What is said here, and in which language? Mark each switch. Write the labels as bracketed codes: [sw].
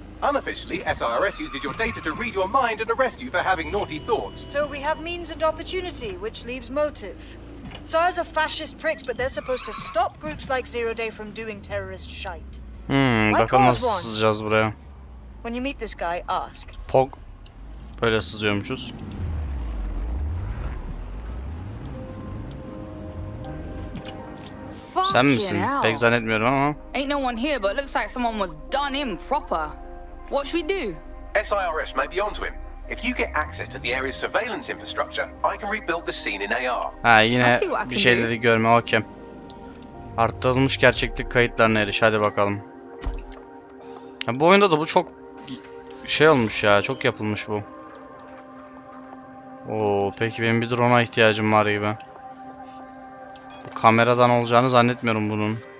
[en] Unofficially, SIRS uses your data to read your mind and arrest you for having naughty thoughts. So we have means and opportunity, which leaves motive. SARS are fascist pricks, but they're supposed to stop groups like Zero Day from doing terrorist shite. [tr] Bakalım nasıl sızacağız buraya. [en] When you meet this guy, ask. [tr] Pog. Böyle sızıyormuşuz. Sen misin? Pek zannetmiyorum ama. [en] Ain't no one here, but it looks like someone was done in proper. What should we do? SIRS might be onto him. If you get access to the area's surveillance infrastructure, I can rebuild the scene in AR. [tr] Ha, yine bir şeyleri görme, okey. Arttırılmış gerçeklik kayıtlarına eriş, hadi bakalım. Ya, bu oyunda da bu çok şey olmuş ya, çok yapılmış bu. Oo, peki benim bir drone'a ihtiyacım var gibi. Bu kameradan olacağını zannetmiyorum bunun.